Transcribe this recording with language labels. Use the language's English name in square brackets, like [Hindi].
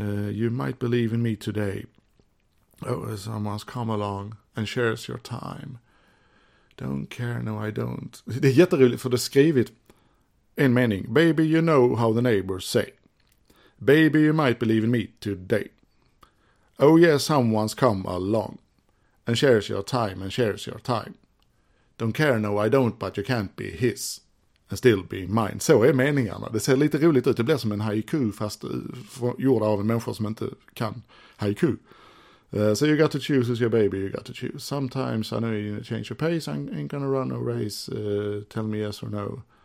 [English] You might believe in me today. Oh, someone's come along and shares your time. Don't care, no I don't. [Swedish] Det är jätteroligt för det är skrivet en mening. [English] Baby, you know how the neighbors say. Baby, you might believe in me today. Oh yeah, someone's come along and shares your time and shares your time. Don't care, no I don't, but you can't be his and still be mine. [Swedish] Så är meningarna. Det ser lite roligt ut. Det blir som en haiku fast gjord av en människa som inte kan haiku. [English] So you got to choose as your baby, you got to choose. Sometimes I know you need to change your pace, I ain't gonna run no race, tell me yes or no.